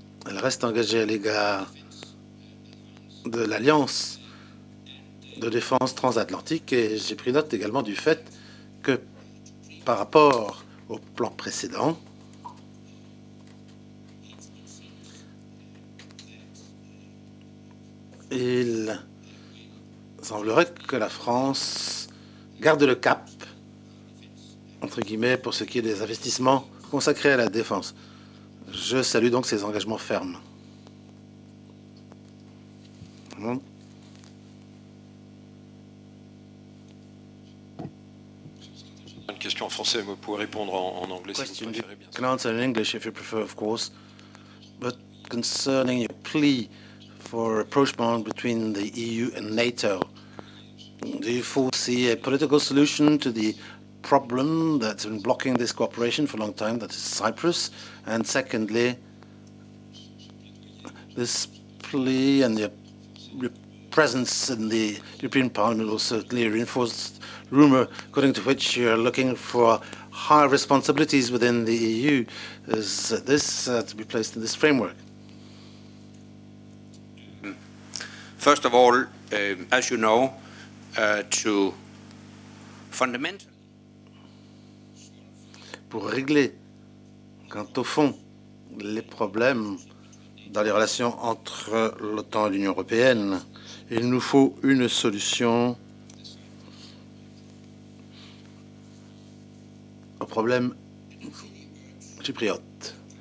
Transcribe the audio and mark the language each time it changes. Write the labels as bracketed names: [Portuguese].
[French] Elle reste engagée à l'égard de l'Alliance de défense transatlantique et j'ai pris note également du fait que par rapport au plan précédent, il semblerait que la France garde le cap, entre guillemets, pour ce qui est des investissements consacrés à la défense. Je salue donc ces engagements fermes. Une question en français, vous pouvez répondre en anglais si vous préférez bien. [English] Can answer in English if you prefer, of course. But concerning your plea for rapprochement between the EU and NATO, do you foresee a political solution to the problem that's been blocking this cooperation for a long time, that is Cyprus? And secondly, this plea and your presence in the European Parliament will certainly reinforce rumor according to which you're looking for higher responsibilities within the EU. Is this to be placed in this framework? First of all, as you know, to fundamentally [French] pour régler, quant au fond, les problèmes dans les relations entre l'OTAN et l'Union européenne, il nous faut une solution au problème chypriote.